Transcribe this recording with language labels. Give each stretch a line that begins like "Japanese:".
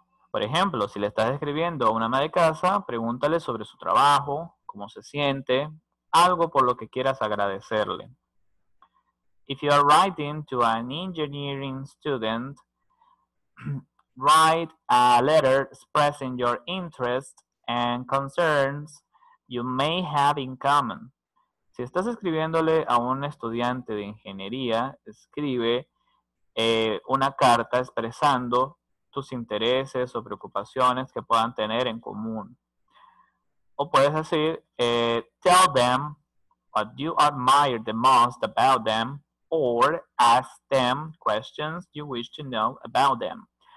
Spanish: Por ejemplo, si le estás escribiendo a una ama de casa, pregúntale sobre su trabajo, cómo se siente, algo por lo que quieras agradecerle.
English: If you are writing to an engineering student, write a letter expressing your interest and concerns you may have in common.
Spanish: Si estás escribiéndole a un estudiante de ingeniería, escribe una carta expresando tus intereses o preocupaciones que puedan tener en común. O puedes decir,
English: tell them what you admire the most about them or ask them questions you wish to know about them.